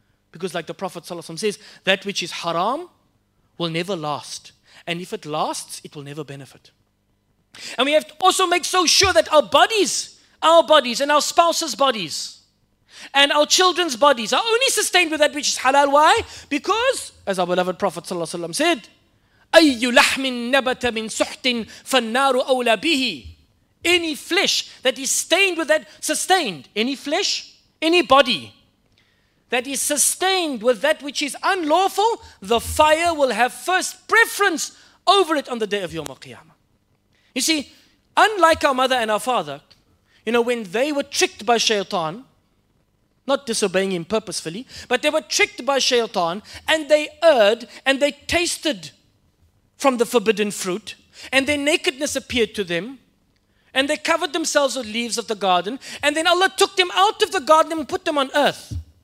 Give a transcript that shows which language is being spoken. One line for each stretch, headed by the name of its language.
English: Because like the Prophet ﷺ says, that which is haram will never last. And if it lasts, it will never benefit. And we have to also make so sure that our bodies and our spouses' bodies and our children's bodies are only sustained with that which is halal. Why? Because, as our beloved Prophet ﷺ said,
Arabic: أَيُّ لَحْمٍ نَبَتَ مِنْ سُحْتٍ فَالنَّارُ أَوْلَى بِهِ.
English: Any flesh that is stained with that, sustained, any flesh, any body that is sustained with that which is unlawful, the fire will have first preference over it on the day of Yawm al-Qiyamah. You see, unlike our mother and our father, you know, when they were tricked by shaitan, not disobeying him purposefully, but they were tricked by shaitan and they erred and they tasted from the forbidden fruit and their nakedness appeared to them and they covered themselves with leaves of the garden and then Allah took them out of the garden and put them on earth.